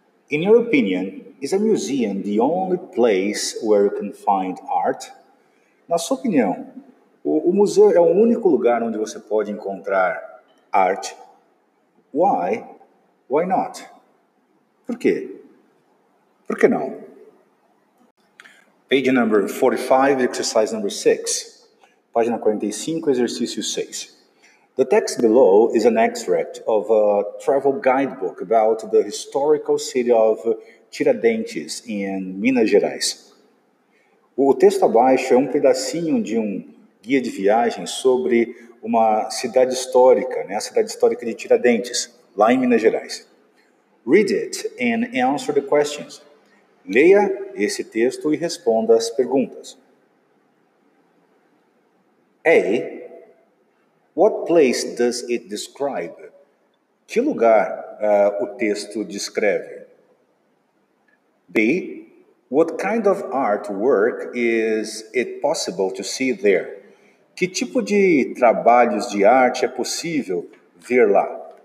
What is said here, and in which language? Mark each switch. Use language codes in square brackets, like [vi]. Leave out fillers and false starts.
[en] In your opinion, is a museum the only place where you can find art? [pt] Na sua opinião, o museu é o único lugar onde você pode encontrar arte? [en] Why? Why not? [pt] Por quê? Por que não? [en] Page number 45, exercise number 6. [pt] Página 45, exercício 6. [en] The text below is an extract of a travel guidebook about the historical city of Tiradentes, in Minas Gerais. [pt] O texto abaixo é um pedacinho de um guia de viagem sobre uma cidade histórica, né? A cidade histórica de Tiradentes, lá em Minas Gerais. [en] Read it and answer the questions. [pt] Leia esse texto e responda as perguntas. [en] A. What place does it describe? [pt] Que lugar o texto descreve? B. [en] What kind of artwork is it possible to see there? [pt] Que tipo de trabalhos de arte é possível ver lá?